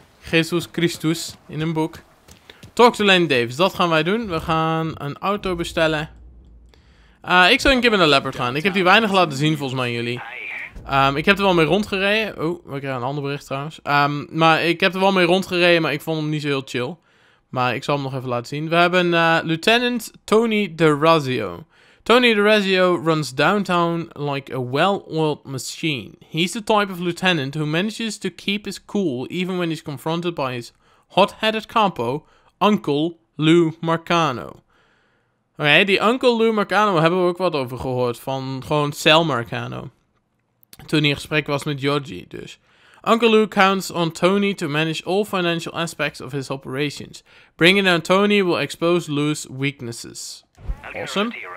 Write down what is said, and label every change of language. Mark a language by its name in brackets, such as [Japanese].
[Dutch] Jesus Christus in een boek. [English] Talk to Lenny Davis, [Dutch] dat gaan wij doen. We gaan een auto bestellen. Ik zou een keer met een leopard gaan. Ik heb die weinig laten zien volgens mij jullie. Ik heb er wel mee rondgereden. Oeh, we krijgen een ander bericht trouwens. Maar ik heb er wel mee rondgereden, maar ik vond hem niet zo heel chill. Maar ik zal hem nog even laten zien. We hebben Lieutenant Tony DeRazio. [English] Tony DeRazio runs downtown like a well-oiled machine. He's the type of lieutenant who manages to keep his cool even when he's confronted by his hot-headed capo, Uncle Lou Marcano. [Dutch] Oké, die Uncle Lou Marcano hebben we ook wat over gehoord van gewoon Sal Marcano. Toen hij in gesprek was met Georgie, dus. [English] Uncle Lou counts on Tony to manage all financial aspects of his operations. Bringing down Tony will expose Lou's weaknesses. Awesome.